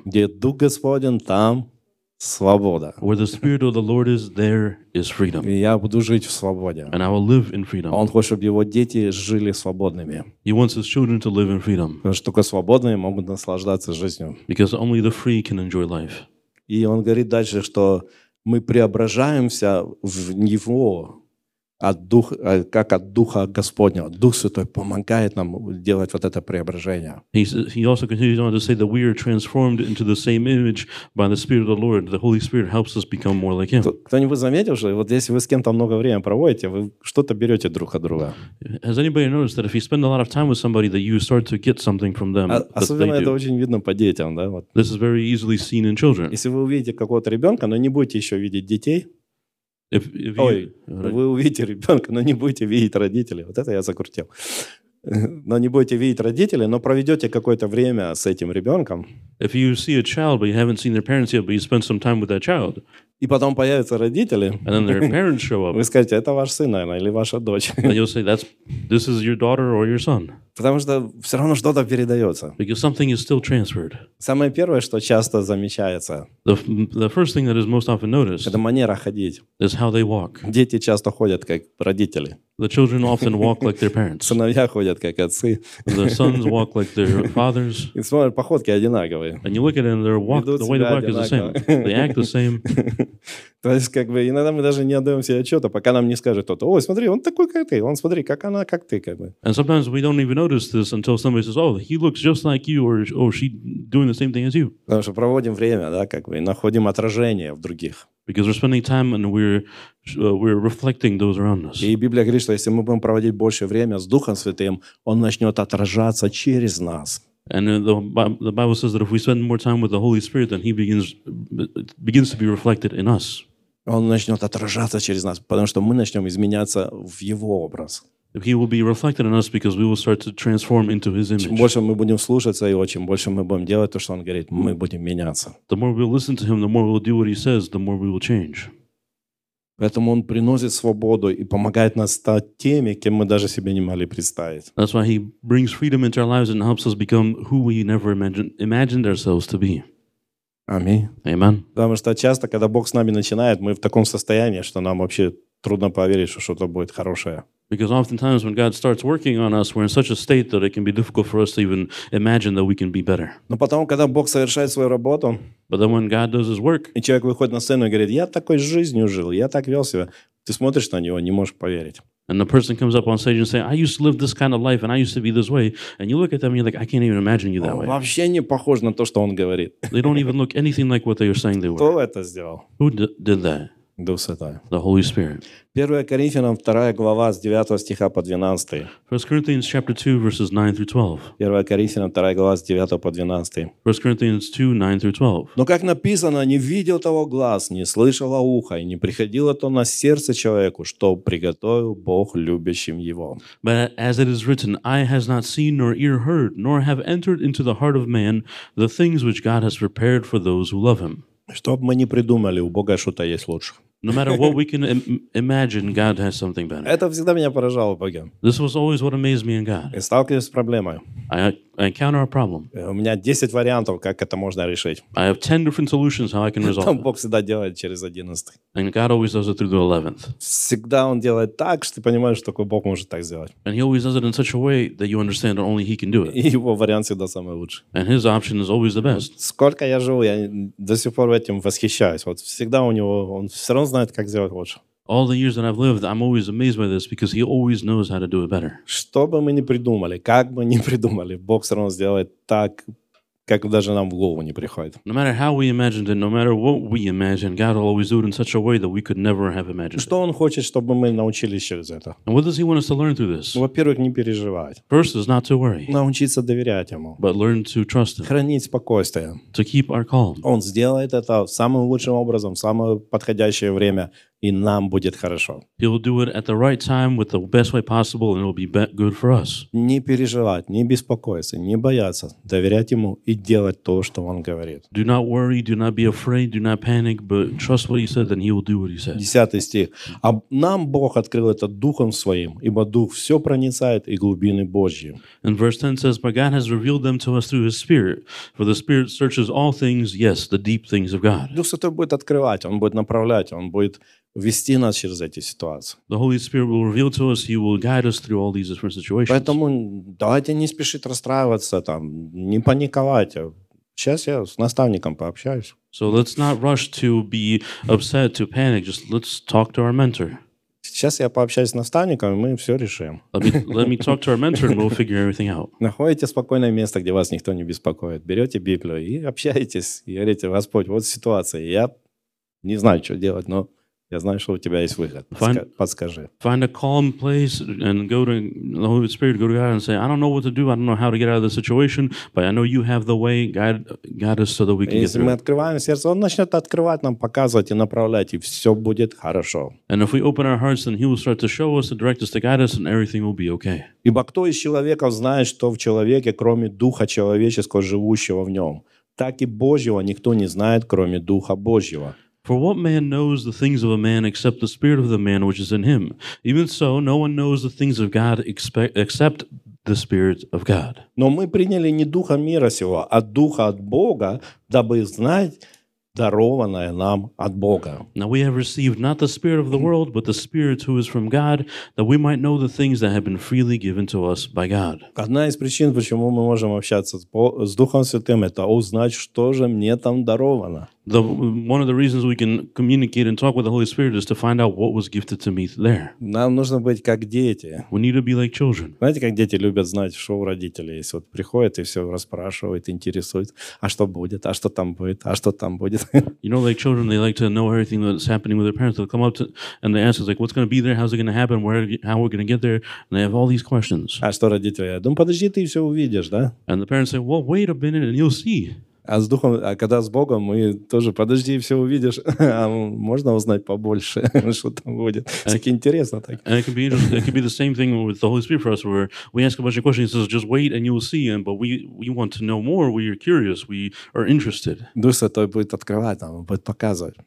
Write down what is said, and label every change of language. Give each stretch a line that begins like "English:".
Russian: Где Дух Господень, там свобода.
English: Where the Spirit of the Lord is, there is freedom.
Russian: И я буду жить в свободе.
English: And I will live in freedom.
Russian: Он хочет, чтобы его дети жили свободными.
English: He wants his children to live in freedom.
Russian: Потому что только свободные могут наслаждаться жизнью.
English: Because only the free can enjoy life.
Russian: И он говорит дальше, что мы преображаемся в него, как от Духа Господня. Дух Святой помогает нам делать вот это преображение.
English: He also continues on to say that we are transformed into the same image by the Spirit of the Lord. The Holy Spirit helps us become more like Him.
Russian: Кто-нибудь заметил, что вот если вы с кем-то много времени проводите, вы что-то берете друг от друга?
English: Has anybody noticed that if you spend a lot of time with somebody, that you start to get something from them?
Russian: Особенно это очень видно по детям, да? Вот.
English: This is very easily seen in children.
Russian: Если вы увидите какого-то ребенка, но не будете еще видеть детей, вы увидите ребенка, но не будете видеть родителей. Вот это я закрутил. Но не будете видеть родителей, но проведете какое-то время с этим ребенком.
English: If you see a child, but you haven't seen their parents yet, but you spend some time with that child.
Russian: И потом появятся родители.
English: And then their parents show up.
Russian: Вы скажете, это ваш сын, наверное, или ваша дочь.
English: And you'll say, this is your daughter or your son.
Russian: Потому что все равно что-то передается.
English: Because something is still transferred.
Russian: Самое первое, что часто замечается.
English: The first thing that is most often noticed.
Russian: Это манера ходить.
English: Is how they walk.
Russian: Дети часто ходят как родители.
English: The children often walk like their parents.
Russian: Сыновья ходят как отцы.
English: The sons walk like their fathers.
Russian: И смотрят, походки одинаковые.
English: And you look at them, their walk, the way they walk is the same. They act the same.
Russian: То есть, как бы, иногда мы даже не отдаем себе отчета, пока нам не скажет кто-то, ой, смотри, он такой, как ты, он, смотри, как она, как ты, как бы.
English: And sometimes we don't even notice this until somebody says, oh, he looks just like you, or oh, she doing the same thing as you.
Russian: Потому что проводим время, да, как бы, и находим отражение в других.
English: Because we're spending time and we're reflecting those around us.
Russian: И Библия говорит, что если мы будем проводить больше время с Духом Святым, он начнет отражаться через нас.
English: And the Bible says that if we spend more time with the Holy Spirit, then He begins to be reflected in us.
Russian: Он начнет отражаться через нас, потому что мы начнем изменяться в Его образ.
English: He will be reflected in us because we will start to transform into His image.
Russian: Чем больше мы будем слушаться Его, чем больше мы будем делать то, что Он говорит, мы будем меняться.
English: The more we listen to Him, the more we'll do what He says, the more we will change.
Russian: Поэтому Он приносит свободу и помогает нам стать теми, кем мы даже себе не могли представить.
English: That's why He brings freedom into our lives and helps us become who we never imagined ourselves to be.
Russian: Аминь.
English: Amen.
Russian: Потому что часто, когда Бог с нами начинает, мы в таком состоянии, что нам вообще трудно поверить, что что-то будет хорошее.
English: Because oftentimes when God starts working on us, we're in such a state that it can be difficult for us to even imagine that we can be better.
Russian: Но потом, когда Бог совершает свою работу,
English: but then when God does His work,
Russian: и человек выходит на сцену и говорит, я такой жизнью жил, я так вел себя, ты смотришь на него, не можешь поверить.
English: And the person comes up on stage and says, I used to live this kind of life and I used to be this way. And you look at them and you're like, I can't even imagine you that way.
Russian: Вообще не похож на то, что он говорит.
English: They don't even look anything like what they are saying they were.
Russian: Кто это сделал?
English: Who did that?
Russian: Дух Святой.
English: The Holy Spirit.
Russian: 1 Коринфянам 2 глава с 9 стиха по 12.
English: 1 Corinthians chapter 2 verses 9 through 12.
Russian: 1 Коринфянам 2 глава с 9 по 12.
English: 1 Corinthians 2, 9 through 12.
Russian: Но как написано, не видел того глаз, не слышало ухо, и не приходило то на сердце человеку, что приготовил Бог любящим его.
English: But as it is written, eye has not seen nor ear heard, nor have entered into the heart of man the things which God has prepared for those who love him.
Russian: Что бы мы ни придумали, у Бога что-то есть лучше.
English: No matter what we can imagine, God has something better.
Russian: Это всегда меня поражало в Боге.
English: This was always what amazed me in God.
Russian: Я сталкиваюсь с проблемой.
English: I encounter a problem.
Russian: У меня 10 вариантов, как это можно решить.
English: I have 10 different solutions how I can resolve.
Russian: Там Бог всегда делает через 11.
English: And God always does it through the 11th.
Russian: Всегда Он делает так, что ты понимаешь, что только Бог может так сделать.
English: And He always does it in such a way that you understand that only He can do it.
Russian: И Его вариант всегда самый лучший.
English: And His option is always the best.
Russian: Сколько я живу, я до сих пор этим восхищаюсь. Вот всегда у Него, Он все равно знает, как сделать лучше.
English: All the years that I've lived, I'm always amazed by this because He always knows how to do it better.
Russian: Что бы мы ни придумали, как бы ни придумали, Бог все равно сделает так, как даже нам в голову не приходит.
English: No matter how we imagined it, no matter what we imagined, God will always do it in such a way that we could never have imagined.
Russian: Что Он хочет, чтобы мы научились через это?
English: And what does He want us to learn through this?
Russian: Во-первых, не переживать.
English: First is not to worry.
Russian: Научиться доверять Ему.
English: But learn to trust Him.
Russian: Хранить спокойствие.
English: To keep our calm.
Russian: Он сделает это самым лучшим образом, в самое подходящее время, и нам будет хорошо.
English: He will do it at the right time, with the best way possible, and it will be good for us.
Russian: Не переживать, не беспокоиться, не бояться, доверять Ему и делать то, что Он говорит.
English: Do not worry, do not be afraid, do not panic, but trust what He said, and He will do what He said.
Russian: 10 стих. А нам Бог открыл это Духом Своим, ибо Дух все проницает и глубины Божьи.
English: And verse 10 says, but God has revealed them to us through His Spirit, for the Spirit searches all things, yes, the deep things of God.
Russian: Дух Святой будет открывать, Он будет направлять, Он будет вести нас через эти ситуации.
English: The Holy Spirit will reveal to us, He will guide us through all these different situations.
Russian: Поэтому давайте не спешить расстраиваться, там, не паниковать. Сейчас я с наставником пообщаюсь.
English: So let's not rush to be upset, to panic. Just let's talk to our mentor.
Russian: Сейчас я пообщаюсь с наставником, и мы все решим.
English: Let me talk to our mentor and we'll figure everything out.
Russian: Находите спокойное место, где вас никто не беспокоит. Берете Библию и общаетесь. И говорите, Господь, вот ситуация. Я не знаю, что делать, но я знаю, что у тебя есть выход. Подскажи.
English: Find a calm place and go to the Holy Spirit, go to God and say, I don't know what to do, I don't know how to get out of the situation, but I know you have the way, guide us so that we can get through.
Russian: Если мы открываем сердце, он начнет открывать нам, показывать и направлять, и все будет хорошо.
English: And if we open our hearts, then he will start to show us, to direct us, to guide us, and everything will be okay.
Russian: Ибо кто из человеков знает, что в человеке, кроме духа человеческого, живущего в нем? Так и Божьего никто не знает, кроме Духа Божьего.
English: For what man knows the things of a man except the spirit of the man which is in him? Even so, no one knows the things of God except the spirit of God.
Russian: Но мы приняли не духа мира сего, а духа от Бога, дабы знать дарованное нам от Бога.
English: Now we have received not the spirit of the world, but the spirit who is from God, that we might know the things that have been freely given to us by God.
Russian: Одна из причин, почему мы можем общаться с Духом Святым, это узнать, что же мне там даровано.
English: One of the reasons we can communicate and talk with the Holy Spirit is to find out what was gifted to me there.
Russian: Нам нужно быть как дети.
English: We need to be like children.
Russian: Знаете, как дети любят знать, что у родителей есть. Вот приходят и все расспрашивают, интересуют. А что будет? А что там будет? А что там будет?
English: You know, like children, they like to know everything that's happening with their parents. They'll come up to, and they ask us, like, what's going to be there? How's it going to happen? Where? How we're going to get there? And they have all these questions.
Russian: А что родители? Я думаю, подожди, ты все увидишь, да?
English: And the parents say, well, wait a minute and you'll see.
Russian: А с духом, а когда с Богом, мы тоже подожди, все увидишь, а можно узнать побольше, что там будет. Так интересно так.
English: And it could be the same thing with the Holy Spirit for us, where we ask a bunch of questions, he says, just wait and you'll see, but we want to know more, we are curious, we are interested.
Russian: Дух Святой будет открывать нам, будет показывать.